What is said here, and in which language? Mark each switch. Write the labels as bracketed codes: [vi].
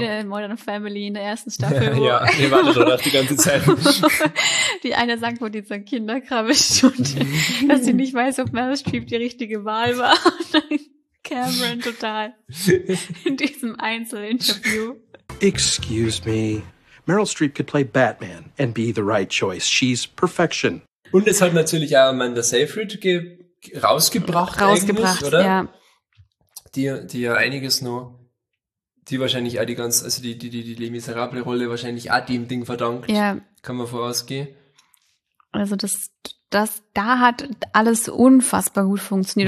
[de] Szene in Modern Family in der ersten Staffel. Ja, wir warten schon auf die ganze Zeit. Die eine sagt, wo die so Kinderkrabbel und dass sie nicht weiß, ob Meryl Streep die richtige Wahl war. Und dann Cameron total in diesem Einzelinterview. [en] Excuse me. Meryl Streep could play Batman and be the right choice. She's perfection. [de] Und es hat natürlich auch Amanda Seyfried rausgebracht, oder? Ja. Die ja einiges nur. Die wahrscheinlich auch die Les Miserables Rolle wahrscheinlich auch dem Ding verdankt. Ja. Kann man vorausgehen. Also das da hat alles unfassbar gut funktioniert.